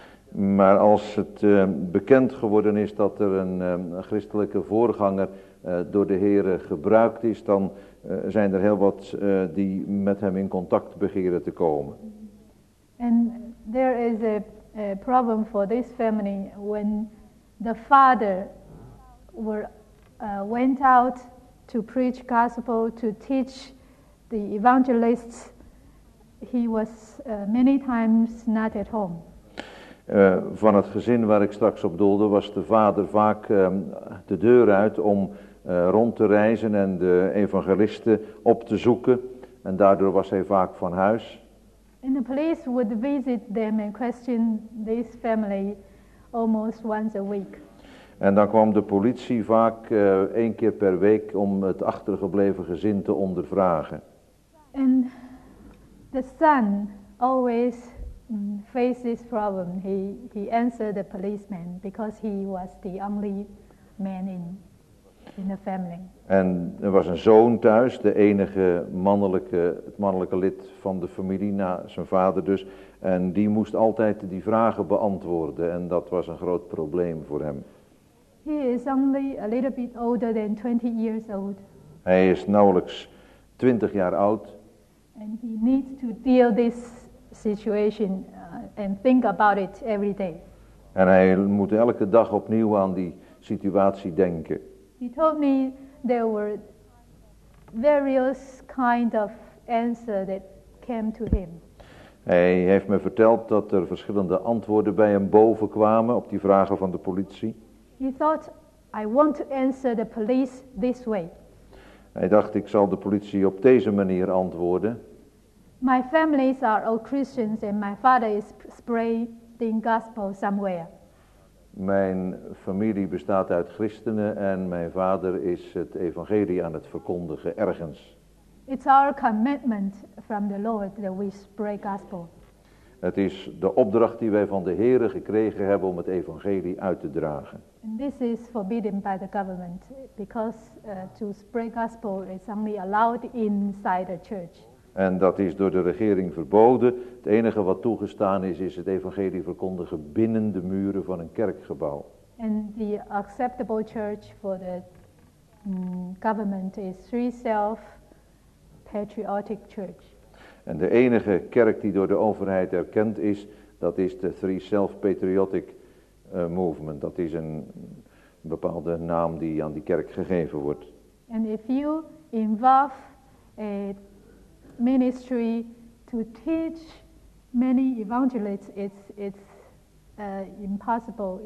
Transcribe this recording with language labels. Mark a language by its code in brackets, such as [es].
[nl] Maar als het bekend geworden is dat er een christelijke voorganger door de Heere gebruikt is, dan zijn er heel wat die met hem in contact begeren te komen. [en] And there is a problem for this family when the father went out to preach gospel, to teach the evangelists, he was many times not at home. [nl] Van het gezin waar ik straks op doelde, was de vader vaak de deur uit om rond te reizen en de evangelisten op te zoeken. En daardoor was hij vaak van huis. [en] And the police would visit them and question this family almost once a week. [nl] En dan kwam de politie vaak één keer per week om het achtergebleven gezin te ondervragen. [en] And the son always faced this problem. He answered the policeman because he was the only man in the family. [nl] En er was een zoon thuis, de enige mannelijke lid van de familie, na zijn vader dus. En die moest altijd die vragen beantwoorden en dat was een groot probleem voor hem. [en] He is only a little bit older than 20 years old. [nl] Hij is nauwelijks 20 jaar oud. [en] And he needs to deal this situation and think about it every day. [nl] En hij moet elke dag opnieuw aan die situatie denken. [en] He told me there were various kind of answer that came to him. [nl] Hij heeft me verteld dat er verschillende antwoorden bij hem boven kwamen op die vragen van de politie. [en] He thought, I want to answer the police this way. [nl] Hij dacht, ik zal de politie op deze manier antwoorden. [en] My families are all Christians and my father is spreading gospel somewhere. [nl] Mijn familie bestaat uit christenen en mijn vader is het evangelie aan het verkondigen ergens. [en] It's our commitment from the Lord that we spread gospel. [nl] Het is de opdracht die wij van de Heere gekregen hebben om het evangelie uit te dragen. [en] And this is forbidden by the government because to spread gospel is only allowed inside a church. [nl] En dat is door de regering verboden. Het enige wat toegestaan is, is het evangelie verkondigen binnen de muren van een kerkgebouw. [en] And the acceptable church for the government is three self patriotic church. [nl] En de enige kerk die door de overheid erkend is, dat is de Three Self Patriotic Movement. Dat is een bepaalde naam die aan die kerk gegeven wordt. [en] And if you involve a ministry to teach many evangelists, it's impossible.